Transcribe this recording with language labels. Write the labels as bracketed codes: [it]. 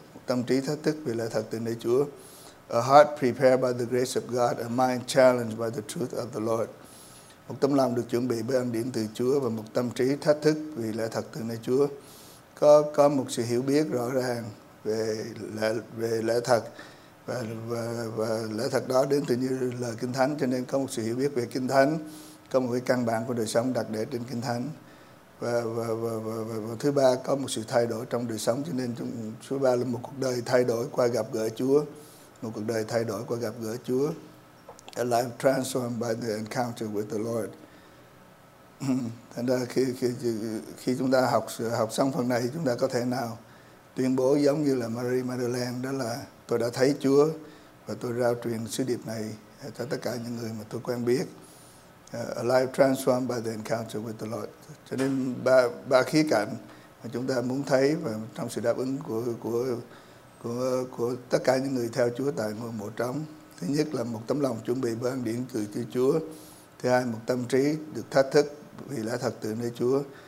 [vi] Một tâm trí thách thức vì lẽ thật từ nơi Chúa. [en] A heart prepared by the grace of God, a mind challenged by the truth of the Lord. [vi] Một tấm lòng được chuẩn bị bởi ân điển từ Chúa và một tâm trí thách thức vì lẽ thật từ nơi Chúa. Có một sự hiểu biết rõ ràng về lẽ thật và lẽ thật đó đến từ như lời Kinh Thánh, cho nên có một sự hiểu biết về Kinh Thánh, có một cái căn bản của đời sống đặt để trên Kinh Thánh. Và thứ ba, có một sự thay đổi trong đời sống, cho nên thứ ba là một cuộc đời thay đổi qua gặp gỡ Chúa. Một cuộc đời thay đổi qua gặp gỡ Chúa. [en] A life transformed by the encounter with the Lord. [vi] Thành ra khi chúng ta học xong phần này, chúng ta có thể nào tuyên bố giống như là Mary Magdalene, đó là tôi đã thấy Chúa và tôi rao truyền sứ điệp này cho tất cả những người mà tôi quen biết. [en] A life transformed by the encounter with the Lord. [vi] Cho nên ba khía cạnh mà chúng ta muốn thấy và trong sự đáp ứng của tất cả những người theo Chúa tại ngôi mộ trống. Thứ nhất là một tấm lòng chuẩn bị bởi ân điển từ Chúa. Thứ hai, một tâm trí được thách thức vì lẽ thật từ nơi Chúa.